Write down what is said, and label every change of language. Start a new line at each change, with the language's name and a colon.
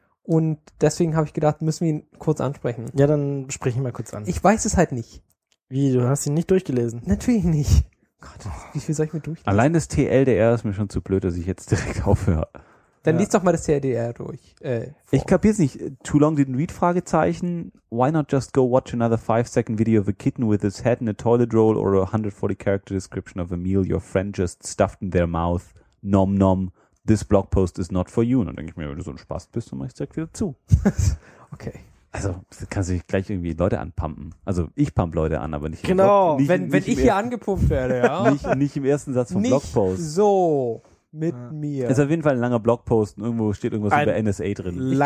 German: Und deswegen habe ich gedacht, müssen wir ihn kurz ansprechen. Ja, dann spreche ich ihn mal kurz an. Ich weiß es halt nicht. Wie, du hast ihn nicht durchgelesen? Natürlich nicht. Gott, wie viel soll ich mir durchlesen? Allein das TLDR ist mir schon zu blöd, dass ich jetzt direkt aufhöre. Dann ja. Lies doch mal das TLDR durch. Ich kapier's nicht.
English: Too long didn't read?
German: Fragezeichen.
English: Why not just go watch another 5-second video of a kitten with its head in a toilet roll or a 140-character description of a meal your friend just stuffed in their mouth? Nom nom. This blog post is not for you.
German: Und dann denke ich mir, wenn du so ein Spaß bist, dann mach ich's direkt wieder zu. Okay. Also, du kannst dich gleich irgendwie Leute anpumpen. Also, ich pump Leute an, aber nicht genau. Im Blog. Genau, wenn ich hier angepumpt werde, ja. Nicht im ersten Satz vom nicht Blogpost. So, mit mir. Ist auf jeden Fall ein langer Blogpost und irgendwo steht irgendwas ein über NSA drin.